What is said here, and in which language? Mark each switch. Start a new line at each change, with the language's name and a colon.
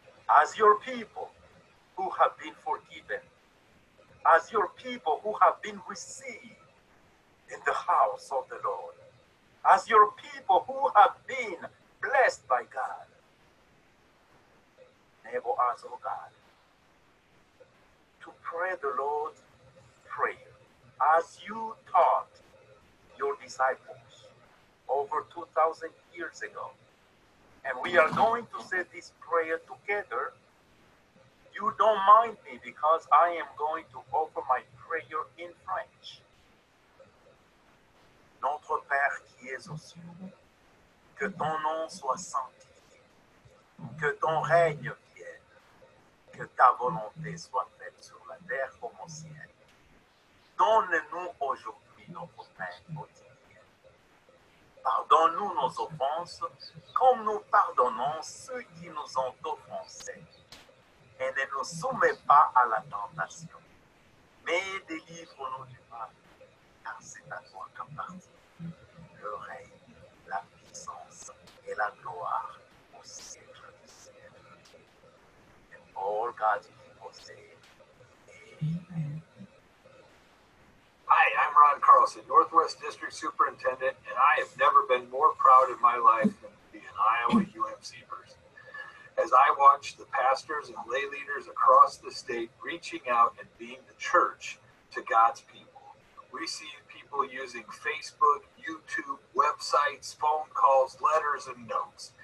English: As your people who have been forgiven, as your people who have been received in the house of the Lord, as your people who have been blessed by God, enable us, O God, to pray the Lord's prayer as you taught your disciples over 2,000 years ago. And we are going to say this prayer together. You don't mind me because I am going to offer my prayer in French.
French: Notre Père qui es aux cieux, que ton nom soit sanctifié, que ton règne vienne, que ta volonté soit faite sur la terre comme au ciel. Donne-nous aujourd'hui notre pain quotidien. Pardonne-nous nos offenses comme nous pardonnons ceux qui nous ont offensés. Et ne nous soumets pas à la tentation, mais délivre-nous du mal, car c'est à toi qu'appartient le règne, la puissance et la gloire au siècle du siècle.
English: And all God's people say, Amen. Hi, I'm Ron Carlson, Northwest District Superintendent, and I have never been more proud in my life than to be an Iowa UMC person. As I watch the pastors and lay leaders across the state reaching out and being the church to God's people, we see people using Facebook, YouTube, websites, phone calls, letters, and notes.